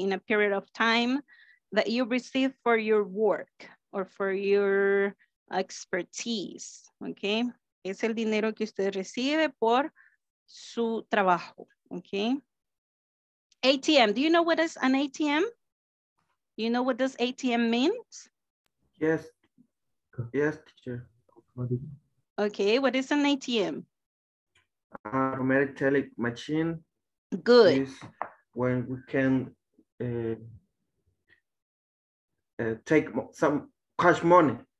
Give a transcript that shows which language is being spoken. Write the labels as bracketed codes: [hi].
[en] In a period of time that you receive for your work or for your expertise, okay? [es] Es el dinero que usted recibe por su trabajo, okay? [en] ATM, do you know what is an ATM? You know what does ATM means? Yes, yes, teacher. Okay, what is an ATM? Automatic teller machine. Good. Is when we can take some cash money.